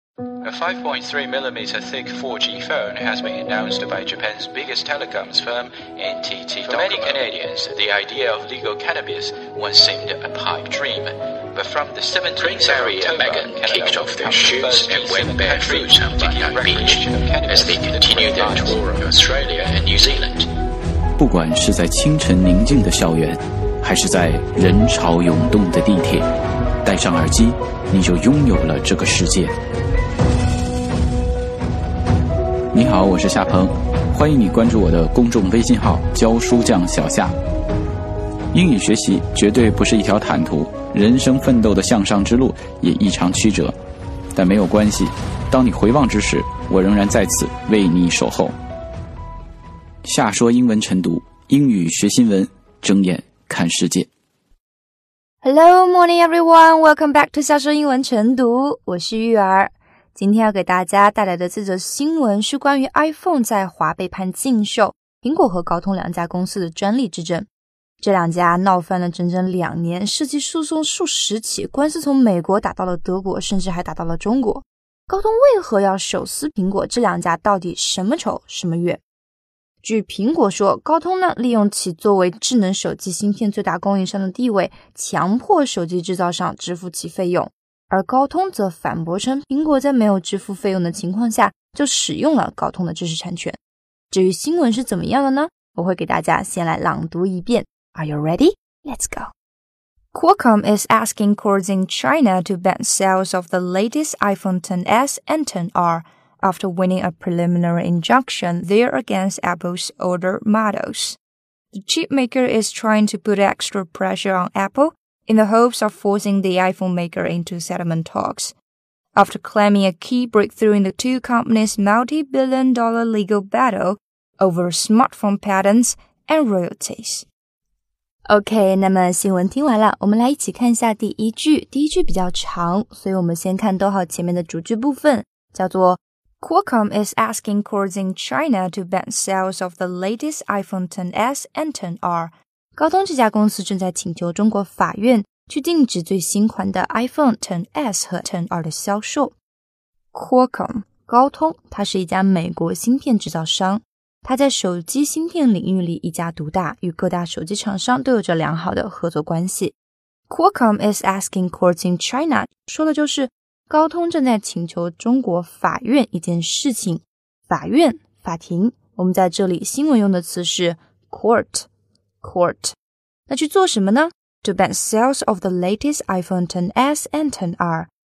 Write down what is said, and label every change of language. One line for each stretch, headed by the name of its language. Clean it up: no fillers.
English: A 5.3mm thick 4G phone has been announced by Japan's biggest telecoms firm, NTT Docomo. For many Canadians, the idea of legal cannabis once seemed a pipe dream. But from the 17th of October, Megan kicked off their shoes and went barefoot on Bundy Beach as they continued their tour of Australia and New Zealand.
Chinese: 不管是在清晨宁静的校园，还是在人潮涌动的地铁，戴上耳机，你就拥有了这个世界。你好，我是夏鹏，欢迎你关注我的公众微信号教书匠小夏。英语学习绝对不是一条坦途，人生奋斗的向上之路也异常曲折，但没有关系，当你回望之时，我仍然在此为你守候。夏说英文晨读，英语学新闻，睁眼看世界。
English: Hello, morning everyone, welcome back to 夏说英文晨读，
Chinese: 我是玉儿。今天要给大家带来的这则新闻是关于 iPhone 在华被判禁售，苹果和高通两家公司的专利之争。这两家闹翻了整整两年，涉及诉讼数十起，官司从美国打到了德国，甚至还打到了中国。高通为何要手撕苹果？这两家到底什么仇什么怨？据苹果说，高通呢利用其作为智能手机芯片最大供应商的地位，强迫手机制造商支付其费用。而高通则反驳称，苹果在没有支付费用的情况下就使用了高通的知识产权。至于新闻是怎么样的呢？我会给大家先来朗读一遍。
English: Are you ready? Let's go. Qualcomm is asking courts in China to ban sales of the latest iPhone XS and XR after winning a preliminary injunction there against Apple's older models. The chipmaker is trying to put extra pressure on Apple,in the hopes of forcing the iPhone maker into settlement talks. After claiming a key breakthrough in the two companies' multi-billion dollar legal battle over smartphone patents and royalties.
Chinese: OK, 那么新闻听完了，我们来一起看一下第一句。第一句比较长，所以我们先看逗号前面的主句部分，叫做
English: Qualcomm is asking courts in China to ban sales of the latest iPhone XS and XR.
Chinese: 高通这家公司正在请求中国法院去禁止最新款的 iPhone XS 和 XR 的销售。
English: Qualcomm,
Chinese: 高通，它是一家美国芯片制造商。它在手机芯片领域里一家独大，与各大手机厂商都有着良好的合作关系。
English: Qualcomm is asking courts in China,
Chinese: 说的就是高通正在请求中国法院一件事情。法院，法庭，我们在这里新闻用的词是 court。
English: Court,
Chinese: 那去做什么呢
English: ？To ban sales of the latest iPhone XS and XR,